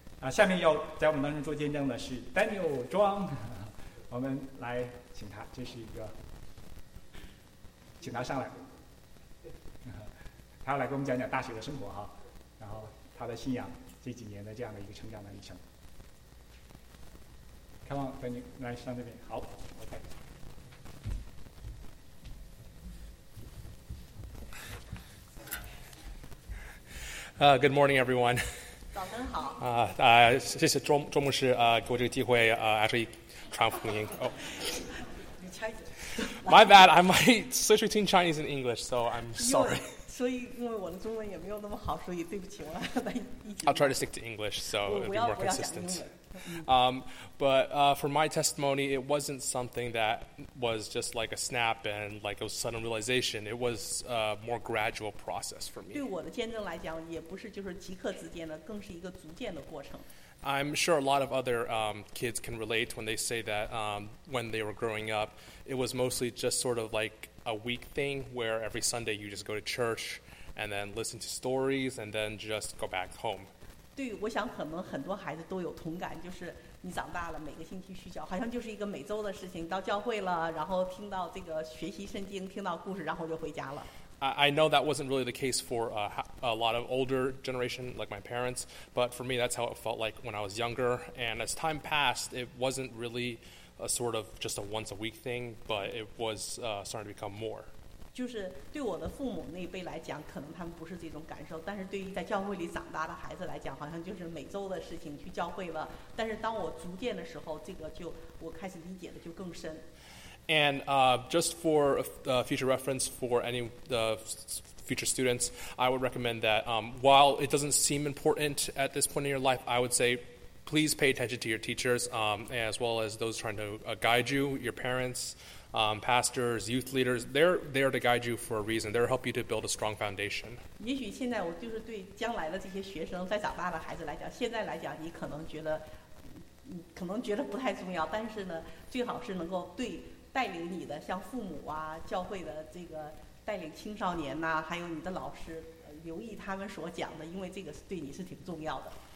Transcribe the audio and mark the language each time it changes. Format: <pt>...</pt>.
<zh>下面要在我们当中做见证的是 Daniel 庄，我们来请他，这是一个，请他上来，他要来给我们讲讲大学的生活哈，然后他的信仰这几年的这样的一个成长的历程。</zh> <en>Come on, Daniel,</en> <zh>来上这边，好</zh> <en>，OK。 Good morning, everyone.</en> <zh>早上好。谢谢周牧师给我这个机会actually 传福音。</zh> <en>My bad, I might switch between Chinese and English, so I'm sorry.</en> <zh>因为我的中文也没有那么好，所以对不起，我来。</zh> <en>I'll try to stick to English, so it'll be more consistent.</en> <zh>我不要讲英文。</zh> <en>But for my testimony, it wasn't something that was just like a snap and like a sudden realization. It was a more gradual process for me.</en> <zh>对我的见证来讲，也不是就是即刻之间的，更是一个逐渐的过程。</zh> <en>I'm sure a lot of other kids can relate when they say that when they were growing up, it was mostly just sort of like a week thing where every Sunday you just go to church and then listen to stories and then just go back home.</en> <zh>对，我想可能很多孩子都有同感，就是你长大了每个星期去教，好像就是一个每周的事情，到教会了，然后听到这个学习圣经，听到故事，然后就回家了。</zh> <en>I know that wasn't really the case for a lot of older generation, like my parents, but for me, that's how it felt like when I was younger. And as time passed, it wasn't really a sort of just a once a week thing, but it was starting to become more.</en> <zh>就是对我的父母那辈来讲，可能他们不是这种感受，但是对于在教会里长大的孩子来讲，好像就是每周的事情去教会了。但是当我逐渐的时候，这个就我开始理解的就更深。</zh> <en>And just for future reference for any future students, I would recommend that while it doesn't seem important at this point in your life, I would say please pay attention to your teachers as well as those trying to guide you, your parents, pastors, youth leaders. They're there to guide you for a reason. They'll help you to build a strong foundation.</en> <zh>也许现在我就是对将来的这些学生在长大的孩子来讲，现在来讲你可能觉得不太重要，但是呢，最好是能够对带领你的像父母啊教会的这个带领青少年啊还有你的老师留意他们所讲的因为这个对你是挺重要的</zh>